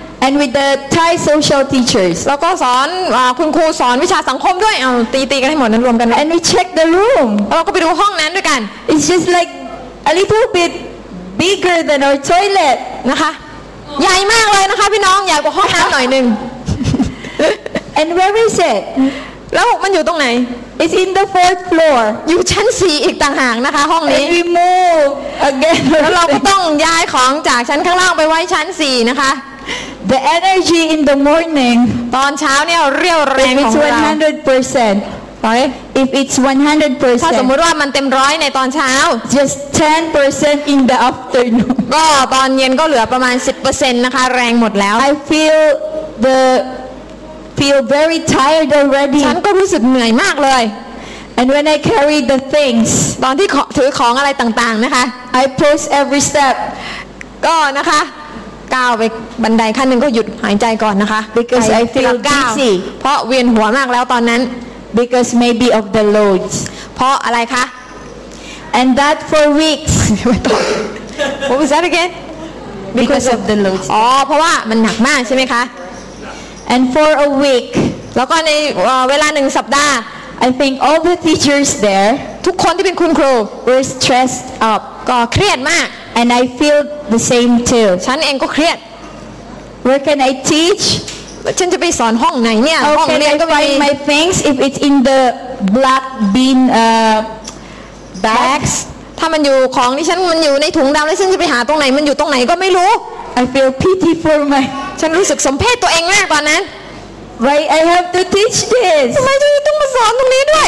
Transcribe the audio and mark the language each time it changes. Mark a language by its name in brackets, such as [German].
[English] And with the Thai social teachers. [Thai] แล้วก็สอนคุณครูสอนวิชาสังคมด้วยเอาตีกันให้หมดนั้นรวมกัน [English] And we check the room. [Thai] เราก็ไปดูห้องนั้นด้วยกัน [English] It's just like a little bit bigger than our toilet. [Thai] นะคะใหญ่มากเลยนะคะพี่น้องใหญ่กว่าห้องน้ำหน่อยนึง [English] And where is it? [Thai] แล้วมันอยู่ตรงไหน [English] It's in the fourth floor [Thai] อยู่ชั้น4อีกต่างหากนะคะห้องนี้ [English] And we move again [Thai] แล้วเราก็ต้องย้ายของจากชั้นข้างล่างไปไว้ชั้น4นะคะ [English] The energy in the morning [Thai] ตอนเช้าเนี่ยเรียวแรงของเรา [English] If it's 100% Okay If it's 100% [Thai] ถ้าสมมุติว่ามันเต็ม100ในตอนเช้า [English] Just 10% in the afternoon [Thai] ก็ตอนเย็นก็เหลือประมาณ 10% นะคะแรงหมดแล้ว [English] I feel the feel very tired already. [Thai] ฉันก็รู้สึกเหนื่อยมากเลย [English] And when I carry the things, [Thai] ตอนที่ถือของอะไรต่างๆนะคะ [English] I pause every step. [Thai] ก็นะคะก้าวไปบันไดขั้นหนึ่งก็หยุดหายใจก่อนนะคะ [English] Because I feel dizzy. [Thai] เพราะเวียนหัวมากแล้วตอนนั้น [English] Because maybe of the loads. [Thai] เพราะอะไรคะ [English] And that for weeks. What was that again? Because of the loads. [Thai] อ๋อเพราะว่ามันหนักมากใช่ไหมคะ [English] And for a week. [Thai] แล้วก็ในเวลาหนึ่งสัปดาห์ [English] I think all the teachers there. [Thai] ทุกคนที่เป็นคุณครู [English] were stressed up. [Thai] ก็เครียดมาก [English] And I feel the same too. [Thai] ฉันเองก็เครียด [English] Where can I teach? [Thai] ฉันจะไปสอนห้องไหนเนี่ยห้ องเรีย น ก็ไม่ [English] Find my things if it's in the black bin bags. [Thai] ถ้ามันอยู่ของนี่ฉันมันอยู่ในถุงดำแล้วฉันจะไปหาตรงไหนมันอยู่ตรงไหนก็ไม่รู้ [English] I feel pity for my [Thai] ฉันรู้สึกสมเพชตัวเองมากตอนนั้น [English] Why I have to teach this [Thai] ทำไมฉันต้องมาสอนตรงนี้ด้วย